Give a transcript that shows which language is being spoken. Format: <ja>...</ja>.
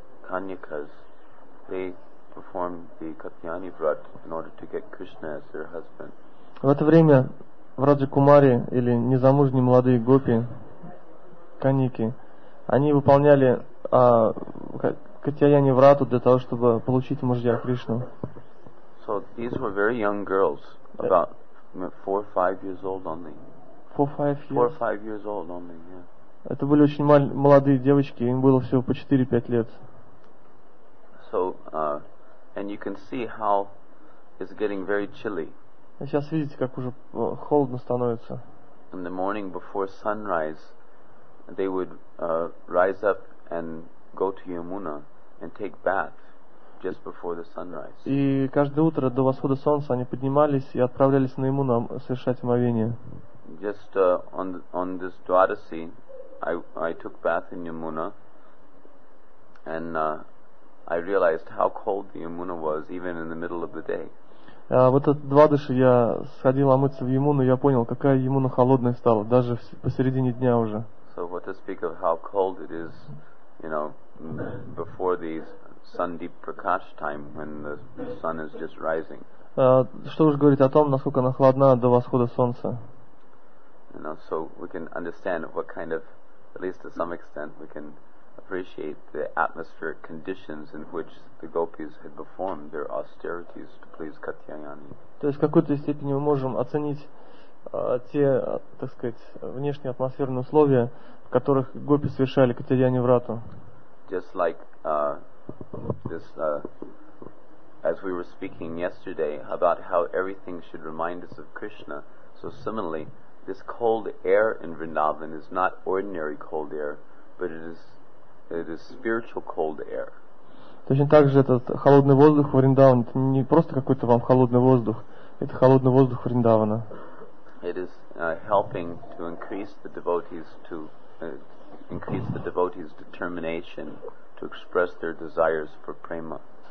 <en>Kanyakas, they perform the Katyayani Vrat in order to get Krishna as their husband.</en> <ru>В это время в Раджакумаре или незамужние молодые гопи, каньяки, они выполняли Катьяяни Врату для того, чтобы получить мужья Кришну.</ru> <en>So these were very young girls, about 4 or 5 years old only. Four or five years old only.</en> <ru>Это были очень молодые девочки, им было всего по 4-5 лет.</ru> <en>So, and you can see how it's getting very chilly.</en> <ru>Сейчас видите, как уже холодно становится.</ru> <en>In the morning before sunrise, they would rise up and go to Yamuna and take bath just before the sunrise.</en> <ru>И каждое утро до восхода солнца они поднимались и отправлялись на Ямуну совершать омовение.</ru> <en>Just on this Dwadasi, I took bath in Yamuna and I realized how cold the Yamuna was even in the middle of the day.</en> <ru>Вот этот Двадаши я сходил омыться в Ямуну, я понял, какая Ямуна холодная стала, даже посередине дня уже.</ru> <en>So what to speak of how cold it is, you know, before the Sandeep Prakash time when the sun is just rising.</en> <ru>Что уж говорить о том, насколько она холодна до восхода солнца.</ru> <en>You know, so we can understand what kind of, at least to some extent, we can appreciate the atmospheric conditions in which the gopis had performed their austerities to please Katyayani.</en> <ru>То есть в какой-то степени мы можем оценить те, так сказать, внешние атмосферные условия, в которых гопи совершали Катьяяни Врату.</ru> <en>Just like this, as we were speaking yesterday about how everything should remind us of Krishna, so similarly, this cold air in Vrindavan is not ordinary cold air, but it is spiritual cold air.</en> <ru>Точно так же этот холодный воздух Вриндавана, это не просто какой-то вам холодный воздух, это холодный воздух Вриндавана.</ru> <en>It is helping to increase the devotees determination to express their desires for prema.</en>